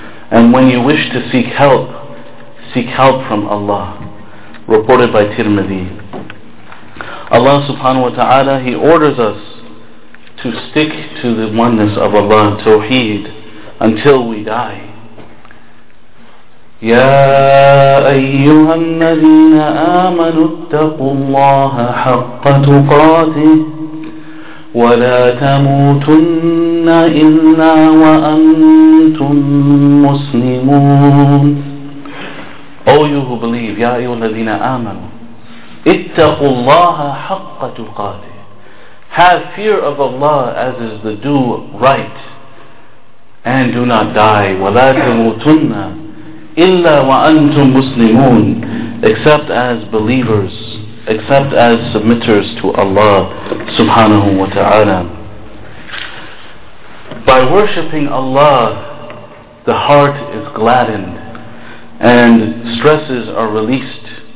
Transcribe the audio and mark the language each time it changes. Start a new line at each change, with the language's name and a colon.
English: And when you wish to seek help from Allah. Reported by Tirmidhi. Allah subhanahu wa ta'ala, He orders us to stick to the oneness of Allah, Tawheed, until we die.
Arabic: يَا أَيُّهَا الَّذِينَ آمَنُوا اتَّقُوا اللَّهَ حَقَّ تُقَاتِهِ وَلَا تَمُوتُنَّ إِلَّا وَأَنْتُمْ مُسْلِمُونَ
English: O you who believe,
Arabic: يَا أَيُّهَا الَّذِينَ آمَنُوا اتَّقُوا اللَّهَ حَقَّ تُقَاتِهِ
English: Have fear of Allah as is the due right, and do not die.
Arabic: وَلَا تَمُوتُنَّ إِلَّا وَأَنْتُمْ مُسْلِمُونَ
English: Except as believers, except as submitters to Allah subhanahu wa ta'ala. By worshipping Allah, the heart is gladdened, and stresses are released.